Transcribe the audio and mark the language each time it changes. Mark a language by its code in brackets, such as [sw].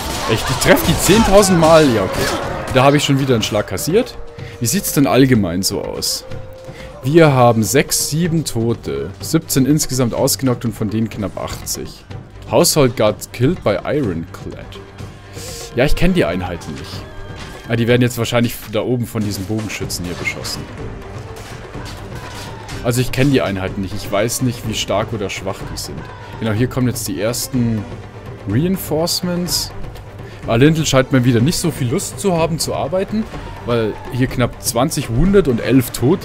[de] Echt, ich treffe die 10.000 Mal. Ja, okay. Da habe ich schon wieder einen Schlag kassiert. Wie sieht es denn allgemein so aus? Wir haben 6, 7 Tote. 17 insgesamt ausgenockt und von denen knapp 80. [en] Household Guard killed by Ironclad. [de] Ja, ich kenne die Einheiten nicht. Ja, die werden jetzt wahrscheinlich da oben von diesen Bogenschützen hier beschossen. Also ich kenne die Einheiten nicht. Ich weiß nicht, wie stark oder schwach die sind. Genau, hier kommen jetzt die ersten Reinforcements. Alindel scheint mir wieder nicht so viel Lust zu haben zu arbeiten, weil hier knapp 20 wundet und 11 tot.